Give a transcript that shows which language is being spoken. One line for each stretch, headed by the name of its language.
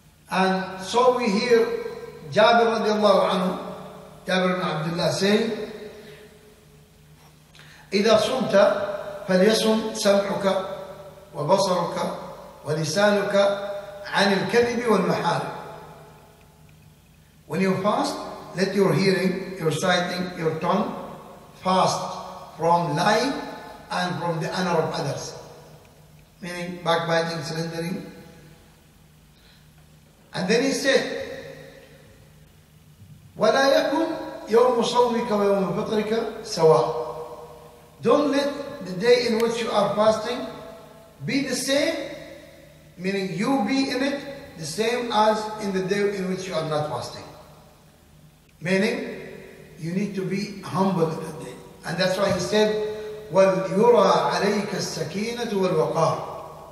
English: And so we hear Jabir radiallahu anhu, Jabir ibn Abdullah saying,
Arabic: إذا صمت فليصم سمحك وبصرك ولسانك عن الكذب والمحارم.
English: When you fast, let your hearing, your sighting, your tongue fast from lying and from the honor of others. Meaning backbiting, slandering. And then he said,
Arabic: ولا يكن يوم صومك ويوم فطرك سواء.
English: Don't let the day in which you are fasting be the same, meaning you be in it, the same as in the day in which you are not fasting. Meaning, you need to be humble in that day. And that's why he said,
Arabic: وَلْيُرَى عَلَيْكَ السَّكِينَةُ وَالْوَقَارُ.